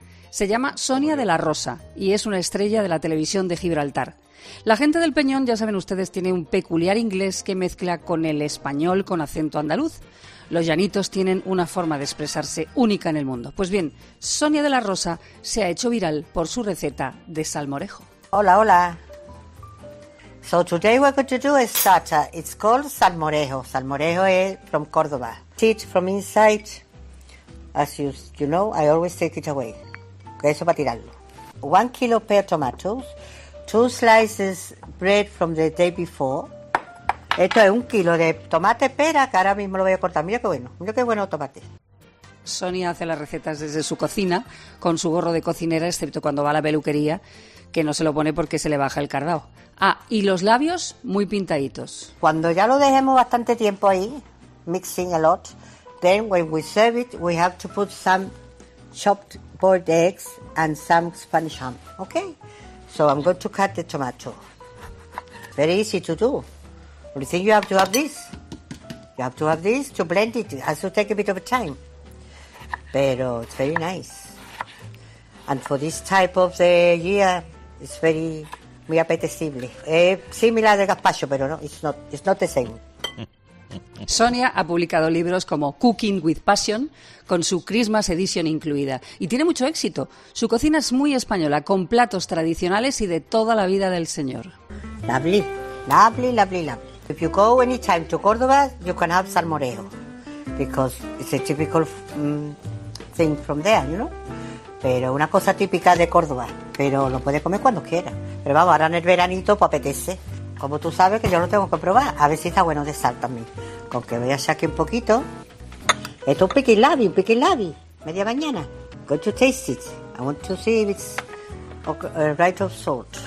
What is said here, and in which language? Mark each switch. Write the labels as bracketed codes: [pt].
[es] Se llama Sonia de la Rosa y es una estrella de la televisión de Gibraltar. La gente del Peñón, ya saben ustedes, tiene un peculiar inglés que mezcla con el español con acento andaluz. Los llanitos tienen una forma de expresarse única en el mundo. Pues bien, Sonia de la Rosa se ha hecho viral por su receta de salmorejo. Hola, hola. [en] So today we're going to do a starter. It's called salmorejo. Salmorejo is from Córdoba. Teach from inside. As you know, I always take it away. [es] Eso para tirarlo. [en] 1 kilo pear tomatoes. 2 slices bread from the day before. [es] Esto es 1 kilo de tomate pera que ahora mismo lo voy a cortar. Mira qué bueno tomate. Sonia hace las recetas desde su cocina con su gorro de cocinera, excepto cuando va a la peluquería, que no se lo pone porque se le baja el cardao. Ah, y los labios muy pintaditos. Cuando ya lo dejemos bastante tiempo ahí, [en] mixing a lot, then when we serve it, we have to put some chopped boiled eggs and some Spanish ham, okay? So I'm going to cut the tomato. Very easy to do. Only thing you have to have this. You have to have this to blend it. It has to take a bit of time. Pero it's very nice. And for this type of the year, it's very, [es] muy apetecible. Similar de gazpacho, pero no, [en] it's not the same. [es] Sonia ha publicado libros como Cooking with Passion, con su Christmas edition incluida. Y tiene mucho éxito. Su cocina es muy española, con platos tradicionales y de toda la vida del señor. [en] Lovely, lovely, lovely, lovely. If you go anytime to Córdoba, you can have salmorejo. Because it's a typical thing from there, you know? [es] Pero una cosa típica de Córdoba, pero lo puedes comer cuando quieras. Pero vamos, ahora en el veranito, pues apetece. Como tú sabes, que yo lo tengo que probar, a ver si está bueno de sal también. Con que voy a echar aquí un poquito. Esto es un piquilabi, media mañana. [en] Go to taste it. I want to see if it's right of salt.